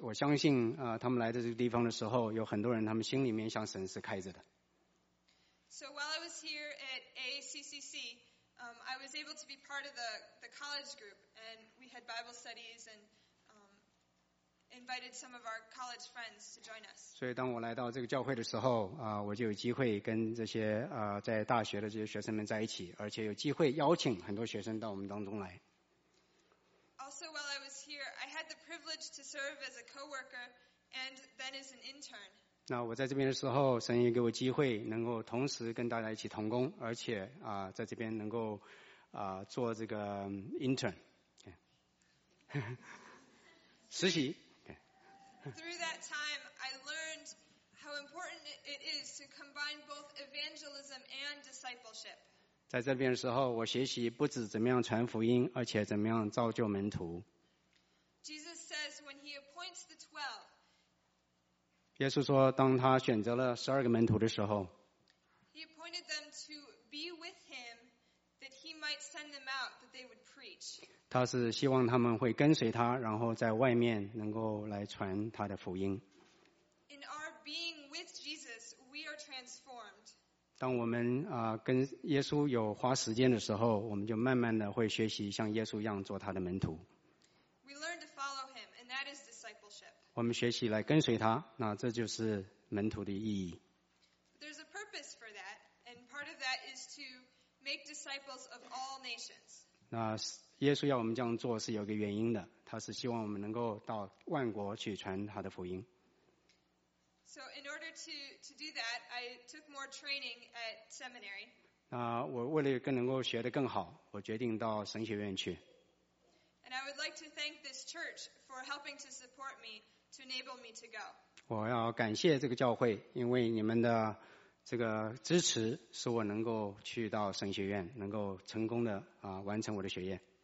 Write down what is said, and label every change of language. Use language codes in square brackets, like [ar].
[zh] 我相信他们来到这个地方的时候，有很多人他们心里面向神是开着的。 [en] So while I was here at ACCC, I was able to be part of the college group, and we had Bible studies and invited some of our college friends to join us. [zh] 所以当我来到这个教会的时候，我就有机会跟这些在大学的这些学生们在一起，而且有机会邀请很多学生到我们当中来。 [en] Also, while I was here, I had the privilege to serve as a co-worker and then as an intern. [zh] 那我在这边的时候，神也给我机会能够同时跟大家一起同工，而且在这边能够做这个intern， 实习。 [en] Through that time, I learned how important it is to combine both evangelism and discipleship. [zh] 在这边的时候，我学习不止怎么样传福音，而且怎么样造就门徒。 [en] Jesus says when he appoints the 12, [zh] 耶稣说，当他选择了十二个门徒的时候， [en] he appointed them to be with him that he might send them out that they would preach. [zh] 他是希望他们会跟随他，然后在外面能够来传他的福音。 [en] In our being with Jesus, we are transformed. [zh] 当我们跟耶稣有花时间的时候，我们就慢慢的会学习像耶稣一样做他的门徒。 [en] We learn to follow him, and that is discipleship. [zh] 我们学习来跟随他，那这就是门徒的意义。 [en] There's a purpose for that, and part of that is to make disciples of all nations. [zh] 那耶稣要我们这样做是有个原因的，他是希望我们能够到万国去传他的福音。 [en] So in order to do that, I took more training at seminary. [zh] 那我为了更能够学得更好，我决定到神学院去。 [en] And I would like to thank this church for helping to support me to enable me to go. [zh] 我要感谢这个教会，因为你们的这个支持使我能够去到神学院，能够成功的完成我的学业。